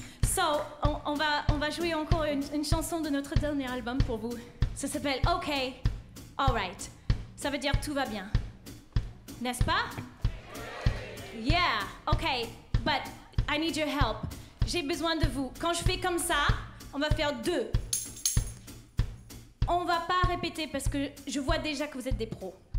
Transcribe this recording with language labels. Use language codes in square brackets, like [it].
[fr] So, on va jouer encore une chanson de notre dernier album pour vous. Ça s'appelle OK, alright. Ça veut dire tout va bien. N'est-ce pas? [en] Yeah, OK, but I need your help. [fr] J'ai besoin de vous. Quand je fais comme ça, on va faire deux. On va pas répéter parce que je vois déjà que vous êtes des pros.